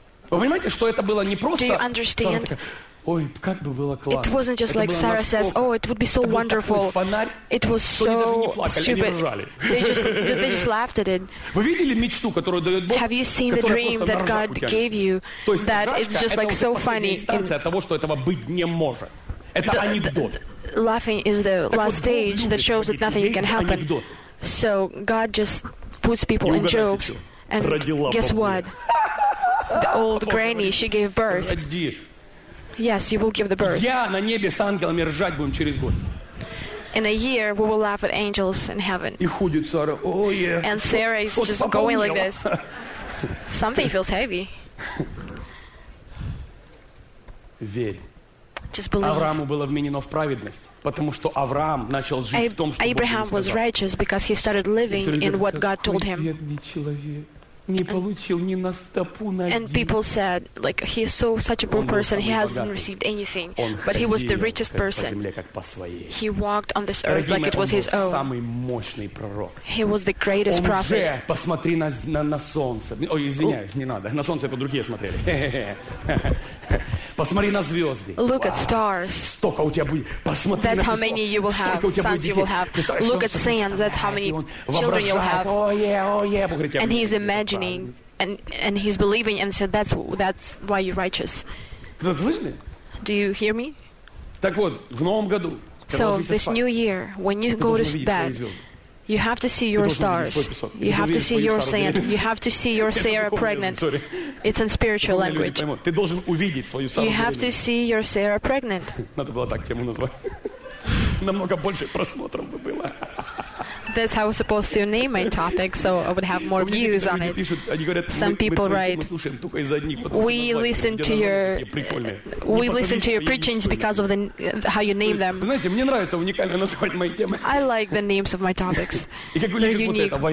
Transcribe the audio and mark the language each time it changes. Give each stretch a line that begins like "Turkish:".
Russian: Вы понимаете, что это было не просто?
English: Do you understand?
Russian: Ой, как бы было классно.
English: It wasn't just like Sarah says, oh, it would be so wonderful. It was so stupid. They just laughed at it.
Russian: Вы видели мечту, которую дает Бог?
English: Have you seen the dream that God gave you? That it's just like so funny.
Russian: Инстанция того, что этого быть не может. Это анекдот.
English: Laughing is the last stage that shows that nothing can happen. So God just puts people in jokes. And guess what? The old granny, she gave birth. Yes, you will give the birth.
Russian: Я на небе с ангелами ржать будем через год.
English: In a year, we will laugh at angels in heaven.
Russian: И ходит Сара.
English: Oh, yeah. And Sarah is just going like this. Something feels heavy.
Russian: Верь.
English: Just believe.
Russian: Аврааму было вменено в праведность, потому что Авраам начал жить в том, что
English: Abraham was righteous because he started living in what God told him.
Russian: Не получил ни на стопу ноги.
English: And people said, like, he is so such a poor person, he hasn't received anything. But he was the richest person. He walked on this earth like it was his own.
Russian: Самый мощный пророк.
English: He was the greatest prophet.
Russian: Посмотри на солнце. Ой, извиняюсь, не надо. На солнце по-другие смотрели. Посмотри на звезды.
English: Look at stars.
Russian: Столько у тебя будет. Посмотри
English: That's how many you will have, sons you will have. Look at sand, that's how many children you'll have. And he's imagining, and he's believing, and said, that's why you're righteous. Do you hear me?
Russian: Так вот, в новом году,
English: so this new year, when you go to bed, you have to see your stars. You have to see your sand. You have to see your Sarah pregnant. It's in spiritual language. You have to see your Sarah pregnant.
Russian: Надо было так тему назвать. Намного больше просмотров бы было.
English: That's how I was supposed to name my topic, so I would have more views on it. Some people write, we listen to your preachings because of the how you name them. I like the names of my topics. They're unique.